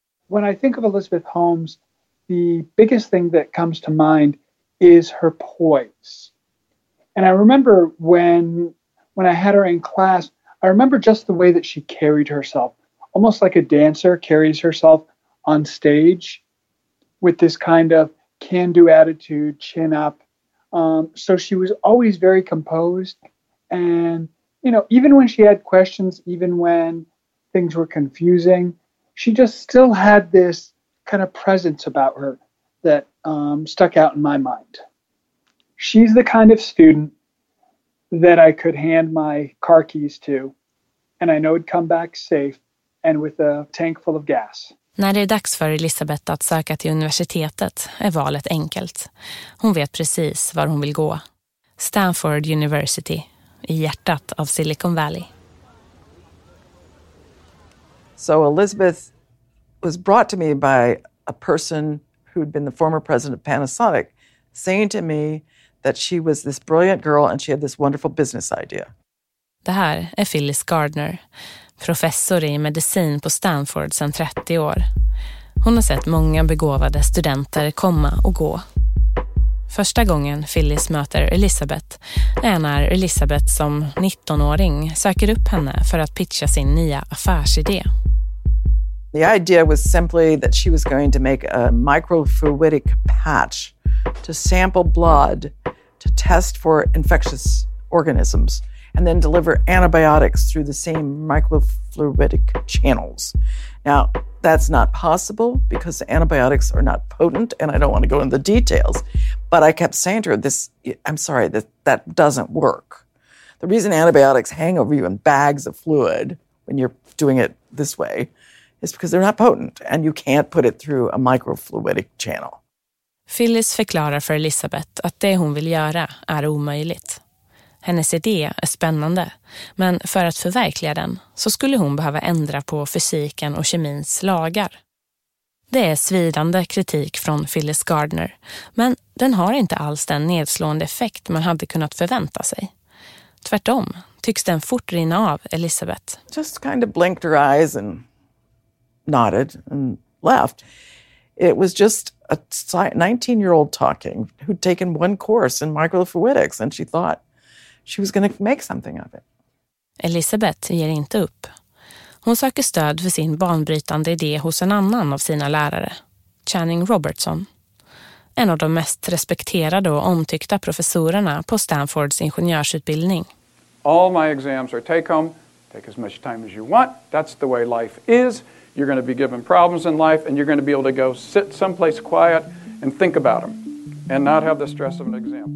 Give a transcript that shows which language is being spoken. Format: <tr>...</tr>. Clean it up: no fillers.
<en>When I think of Elizabeth Holmes, the biggest thing that comes to mind is her poise. And I remember when I had her in class, I remember just the way that she carried herself, almost like a dancer carries herself on stage with this kind of can-do attitude, chin up. So she was always very composed and, you know, even when she had questions, even when things were confusing, she just still had this kind of presence about her that stuck out in my mind. She's the kind of student that I could hand my car keys to, and I know it'd come back safe and with a tank full of gas.</en> <sv>När det är dags för Elizabeth att söka till universitetet är valet enkelt. Hon vet precis var hon vill gå. Stanford University, i hjärtat av Silicon Valley.</sv> <en>So Elizabeth was brought to me by a person who'd been the former president of Panasonic, saying to me that she was this brilliant girl and she had this wonderful business idea.</en> <sv>Det här är Phyllis Gardner, professor i medicin på Stanford sedan 30 år. Hon har sett många begåvade studenter komma och gå. Första gången Phyllis möter Elizabeth är när Elizabeth som 19-åring söker upp henne för att pitcha sin nya affärsidé. The idea was simply that she was going to make a microfluidic patch to sample blood to test for infectious organisms and then deliver antibiotics through the same microfluidic channels. Now, that's not possible because antibiotics are not potent, and I don't want to go into the details. But I kept saying to her, that doesn't work. The reason antibiotics hang over you in bags of fluid when you're doing it this way is because they're not potent, and you can't put it through a microfluidic channel. Phyllis förklarar för Elizabeth att det hon vill göra är omöjligt. Hennes idé är spännande, men för att förverkliga den så skulle hon behöva ändra på fysiken och kemins lagar. Det är svidande kritik från Phyllis Gardner, men den har inte alls den nedslående effekt man hade kunnat förvänta sig. Tvärtom tycks den fort rinna av Elizabeth.</sv> <en>Just kind of blinked her eyes and nodded and left. It was just a 19-year-old talking who'd taken one course in microfluidics and she thought she was going to make something of it.</en> <sv>Elizabeth ger inte upp. Hon söker stöd för sin banbrytande idé hos en annan av sina lärare, Channing Robertson. En av de mest respekterade och omtyckta professorerna på Stanfords ingenjörsutbildning.</sv> <en>All my exams are take home. Take as much time as you want. That's the way life is. You're going to be given problems in life and you're going to be able to go sit someplace quiet and think about them and not have the stress of an exam.</en>